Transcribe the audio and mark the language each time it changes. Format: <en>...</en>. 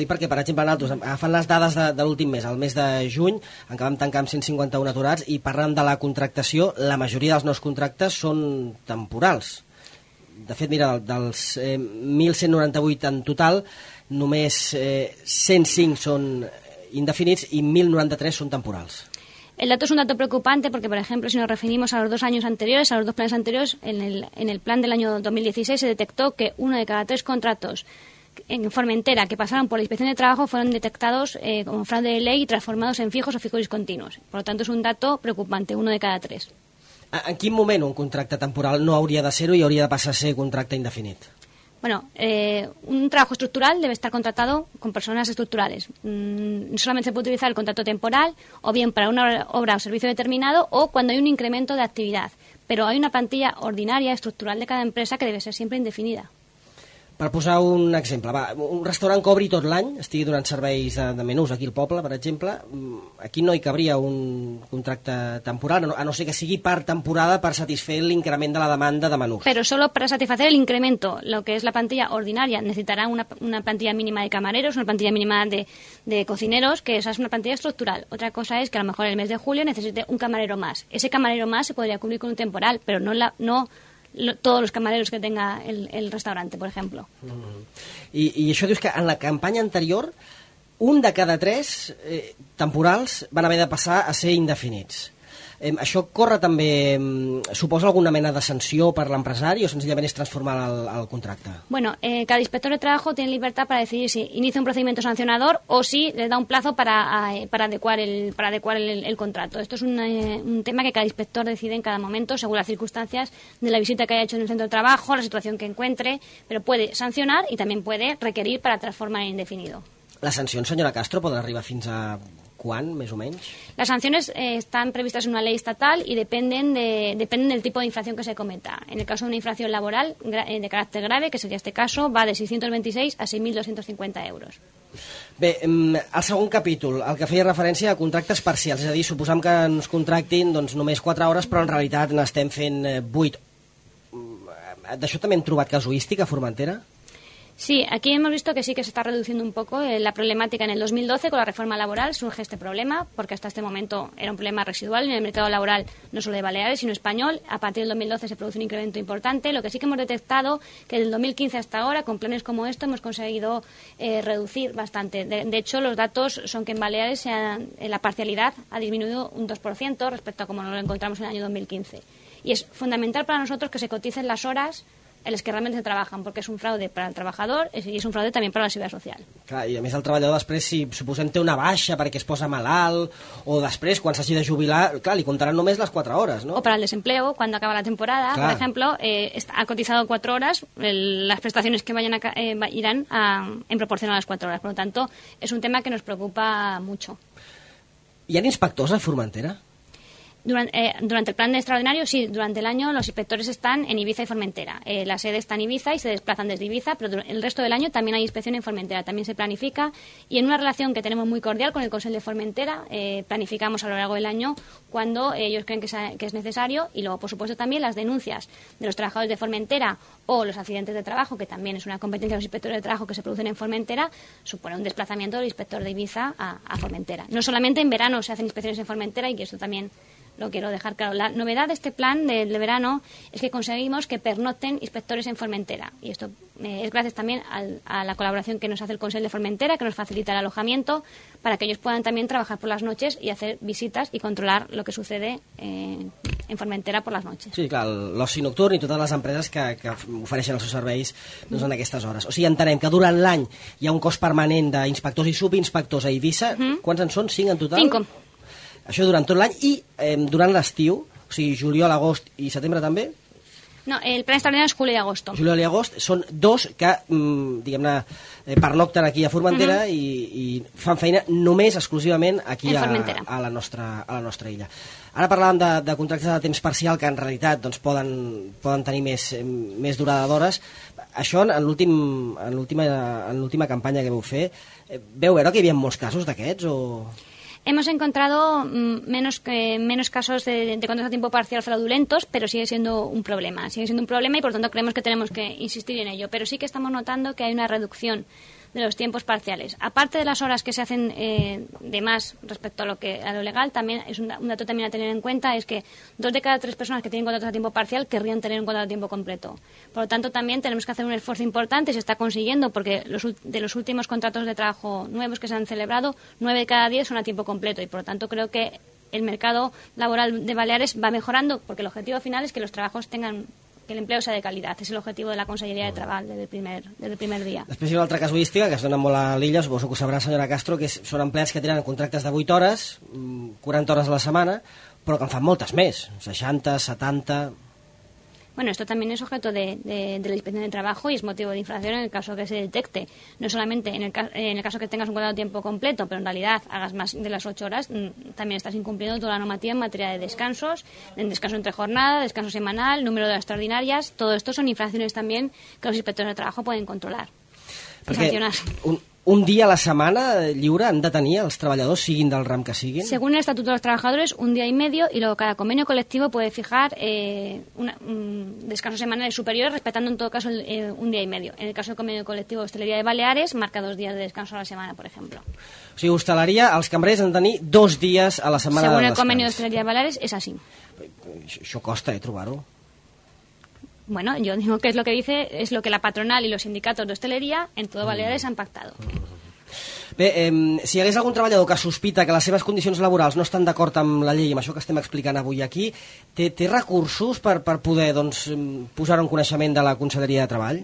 <ca>Dic perquè, per exemple, nosaltres agafant les dades de l'últim mes, el mes de juny, en què vam tancar amb 151 aturats, i parlant de la contractació, la majoria dels nous contractes són temporals. De fet, mira, dels 1.198 en total, només 105 són indefinits i 1.093 són temporals.</ca> <es>El dato es un dato preocupante porque, por ejemplo, si nos referimos a los dos años anteriores, a los dos planes anteriores, en el plan del año 2016 se detectó que uno de cada tres contratos en Formentera que pasaron por la inspección de trabajo fueron detectados como fraude de ley y transformados en fijos o fijos discontinuos. Por lo tanto, es un dato preocupante, uno de cada tres. ¿En quin moment un contracte temporal no hauria de ser-ho i hauria de passar a ser contracte indefinit? Bueno, un trabajo estructural debe estar contratado con personas estructurales. Solamente se puede utilizar el contrato temporal o bien para una obra o servicio determinado o cuando hay un incremento de actividad. Pero hay una plantilla ordinaria, estructural de cada empresa que debe ser siempre indefinida.</es> <ca>Per posar un exemple, va, un restaurant que obri tot l'any, estigui donant serveis de menús aquí al poble, per exemple, aquí no hi cabria un contracte temporal, a no ser que sigui part temporada per satisfer l'increment de la demanda de menús.</ca> <es>Però solo para satisfacer el incremento, lo que es la plantilla ordinaria, necesitará una plantilla mínima de camareros, una plantilla mínima de cocineros, que esa es una plantilla estructural. Otra cosa es que a lo mejor el mes de julio necesite un camarero más. Ese camarero más se podría cubrir con un temporal, pero todos los camareros que tenga el restaurante, por ejemplo.</es> <ca>I això dius que en la campanya anterior un de cada tres temporals van haver de passar a ser indefinits. Això corre també, suposa alguna mena de sanció per l'empresari o senzillament és transformar el contracte?</ca> <es>Bueno, cada inspector de trabajo tiene libertad para decidir si inicia un procedimiento sancionador o si le da un plazo para adecuar el contrato. Esto es un tema que cada inspector decide en cada momento según las circunstancias de la visita que haya hecho en el centro de trabajo, la situación que encuentre, pero puede sancionar y también puede requerir para transformar en indefinido. La sanción, señora Castro, podrá</es> <ca>arribar fins a...</ca> <es>¿Cuán, más o menos? Las sanciones están previstas en una ley estatal y dependen del tipo de infracción que se cometa. En el caso de una infracción laboral de carácter grave, que sería este caso, va de 626 a 6.250 euros.</es> <ca>Bé, el segon capítol, el que feia referència a contractes parcials, és a dir, suposam que ens contractin doncs, només 4 hores, però en realitat n'estem fent 8. D'això també hem trobat casuística a Formentera?</ca> <es>Sí, aquí hemos visto que sí que se está reduciendo un poco la problemática. En el 2012, con la reforma laboral, surge este problema, porque hasta este momento era un problema residual en el mercado laboral, no solo de Baleares, sino español. A partir del 2012 se produce un incremento importante. Lo que sí que hemos detectado que del 2015 hasta ahora, con planes como esto, hemos conseguido reducir bastante. De hecho, los datos son que en Baleares la parcialidad ha disminuido un 2% respecto a como nos lo encontramos en el año 2015. Y es fundamental para nosotros que se coticen las horas en</es> <ca>les que realment se treballen, perquè és un fraude per al treballador i és un fraude també per a la seguretat social. Clar, i a més el treballador després, si suposem té una baixa perquè es posa malalt, o després, quan s'hagi de jubilar, clar, li comptaran només les 4 hores, no? O per al</ca> <es>desempleo,</es> <ca>quan acaba la temporada, per exemple, ha cotitzat 4 hores, les prestacions que</ca> <es>vayan</es> <ca>iran en proporció a les 4 hores. Per tant, és un tema que ens preocupa</ca> <es>mucho.</es> <ca>Hi ha inspectors a Formentera?</ca> <es>Durante el plan de extraordinario, sí, durante el año los inspectores están en Ibiza y Formentera. La sede está en Ibiza y se desplazan desde Ibiza, pero el resto del año también hay inspección en Formentera, también se planifica. Y en una relación que tenemos muy cordial con el Consejo de Formentera, planificamos a lo largo del año cuando ellos creen que es necesario. Y luego, por supuesto, también las denuncias de los trabajadores de Formentera o los accidentes de trabajo, que también es una competencia de los inspectores de trabajo que se producen en Formentera, supone un desplazamiento del inspector de Ibiza a Formentera. No solamente en verano se hacen inspecciones en Formentera y que eso también... Lo quiero dejar claro. La novedad de este plan de verano es que conseguimos que pernocten inspectores en Formentera. Y esto es gracias también a la colaboración que nos hace el Consell de Formentera, que nos facilita el alojamiento, para que ellos puedan también trabajar por las noches y hacer visitas y controlar lo que sucede</es> <ca>en Formentera per les</ca> <es>noches.</es> <ca>Sí, clar, l'oci nocturn i totes les empreses que ofereixen els seus serveis doncs, en aquestes hores. O sigui, entenem que durant l'any hi ha un cos permanent d'inspectors i subinspectors a Eivissa. Mm-hmm. Quants en són? 5 en total? 5. Això durant tot l'any i durant l'estiu, o sigui, juliol, agost i setembre també?</ca> <es>No, el plan extraordinario es julio y agosto. Julio y agosto son dos que,</es> <ca>diguem-ne, pernocten</ca> <es>aquí a Formentera mm-hmm.</es> <ca>i fan feina només exclusivament aquí a la nostra illa. Ara parlàvem de contractes de temps parcial que en realitat doncs, poden tenir més durada d'hores. Això en l'última campanya que vau fer, veu veure que hi havia molts casos d'aquests o...?</ca> <es>Hemos encontrado menos casos de contratos a tiempo parcial fraudulentos, pero sigue siendo un problema. Sigue siendo un problema y, por tanto, creemos que tenemos que insistir en ello. Pero sí que estamos notando que hay una reducción de los tiempos parciales. Aparte de las horas que se hacen de más respecto a lo legal, también es un dato también a tener en cuenta, es que 2 de cada 3 personas que tienen contratos a tiempo parcial querrían tener un contrato a tiempo completo. Por lo tanto, también tenemos que hacer un esfuerzo importante, se está consiguiendo, porque de los últimos contratos de trabajo nuevos que se han celebrado, 9 de cada 10 son a tiempo completo, y por lo tanto creo que el mercado laboral de Baleares va mejorando, porque el objetivo final es que los trabajos tengan... que el empleo sea de calidad. Es el objetivo de la Conselleria de Treball del primer dia.</es> <ca>Després hi ha una altra casuística que es dona molt a l'illa, suposo que ho sabrà, senyora Castro, que són empleats que tenen contractes de 8 hores, 40 hores a la setmana, però que en fan moltes més, 60, 70...</ca> <es>Bueno, esto también es objeto de la inspección de trabajo y es motivo de infracción en el caso que se detecte. No solamente en el caso que tengas un contrato de tiempo completo, pero en realidad hagas más de las 8 horas, también estás incumpliendo toda la normativa en materia de descansos, en descanso entre jornada, descanso semanal, número de horas extraordinarias. Todo esto son infracciones también que los inspectores de trabajo pueden controlar y sancionar.</es> <ca>Un dia a la setmana lliure han de tenir els treballadors, siguin del ram que siguin?</ca> <es>Según el Estatuto de los Trabajadores, 1 día y medio, y luego cada convenio colectivo puede fijar un descanso semanal superior, respetando en todo caso 1 día y medio. En el caso del convenio colectivo de Hostelería de Baleares, marca 2 días de descanso a la semana, por ejemplo.</es> <ca>O sigui, hostaleria, els cambrers han de tenir 2 dies a la setmana.</ca> <es>Según el convenio de Hostelería de Baleares, es así.</es> <ca>Això costa, trobar-ho.</ca> <es>Bueno, yo digo que es lo que dice, es lo que la patronal y los sindicatos de hostelería en todo Baleares han pactado.</es> <ca>Bé, si hi hagués algun treballador que sospita que les seves condicions laborals no estan d'acord amb la llei, amb això que estem explicant avui aquí, té recursos per poder doncs, posar un coneixement de la Conselleria de Treball?</ca>